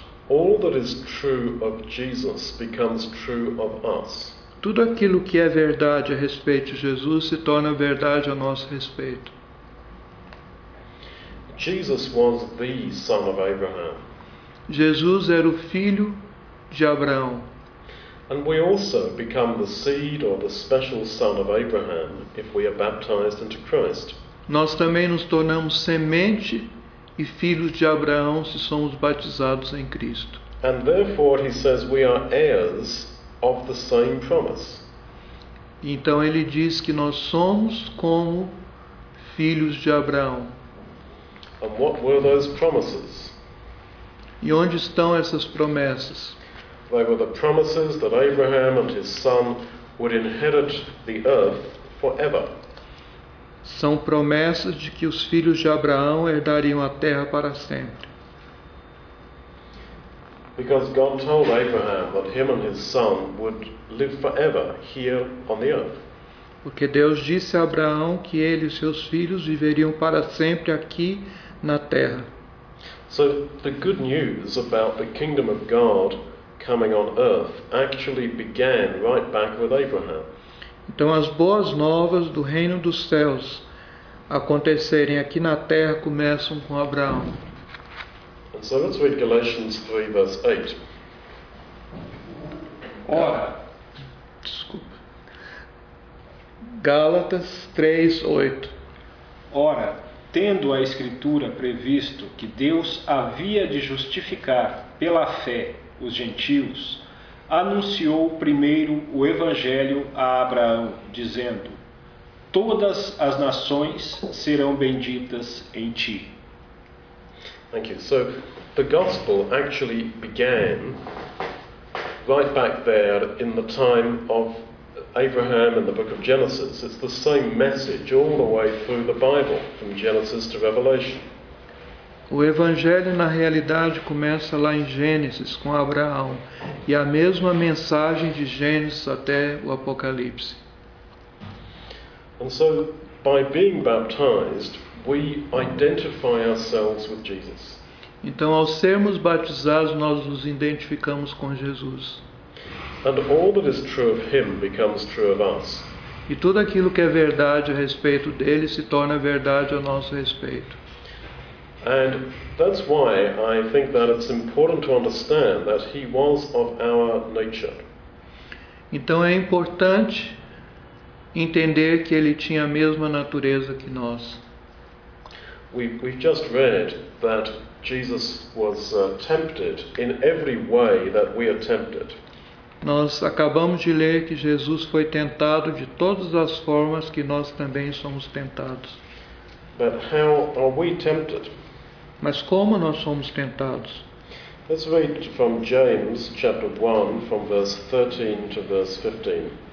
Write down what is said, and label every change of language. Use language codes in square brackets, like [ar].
[en] all that is true of Jesus becomes true of us. [pt] Tudo aquilo que é verdade a respeito de Jesus se torna verdade a nosso respeito. [en] Jesus was the son of Abraham. [pt] Jesus era o filho de Abraão. [en] And we also become the seed or the special son of Abraham if we are baptized into Christ. [pt] Nós também nos tornamos semente e filhos de Abraão se somos batizados em Cristo. [en] And therefore he says we are heirs of the same promise. [pt] Então ele diz que nós somos como filhos de Abraão. [en] And what were those promises? [pt] E onde estão essas promessas? [en] They were the promises that Abraham and his son would inherit the earth forever. [pt] São promessas de que os filhos de Abraão herdariam a terra para sempre. [en] Because God told Abraham that him and his son would live forever here on the earth. [pt] Porque Deus disse a Abraão que ele e seus filhos viveriam para sempre aqui na terra. [en] So the good news about the kingdom of God coming on earth actually began right back with Abraham. [pt] Então as boas novas do reino dos céus acontecerem aqui na terra começam com Abraão. [en] And so let's read Galatians 3, verse 8. [pt] Ora, desculpa. Gálatas 3, 8. Ora, tendo a Escritura previsto que Deus havia de justificar pela fé os gentios, anunciou primeiro o Evangelho a Abraão, dizendo: todas as nações serão benditas em ti. [en] Thank you. So, the gospel actually began right back there in the time of Abraham in the book of Genesis. It's the same message all the way through the Bible, from Genesis to Revelation. [pt] O Evangelho, na realidade, começa lá em Gênesis, com Abraão. E a mesma mensagem de Gênesis até o Apocalipse. [en] And so, by being baptized, we identify ourselves with Jesus. [pt] Então, ao sermos batizados, nós nos identificamos com Jesus. [en] And all that is true of him becomes true of us. [pt] E tudo aquilo que é verdade a respeito dele se torna verdade a nosso respeito. [en] And that's why I think that it's important to understand that he was of our nature. [pt] Então é importante entender que ele tinha a mesma natureza que nós. [en] We just read that Jesus was tempted in every way that we are tempted. [pt] Nós acabamos de ler que Jesus foi tentado de todas as formas que nós também somos tentados. [en] But how are we tempted? [pt] Mas como nós somos tentados? [en] Let's read from James chapter 1 from verse 13 to verse 15.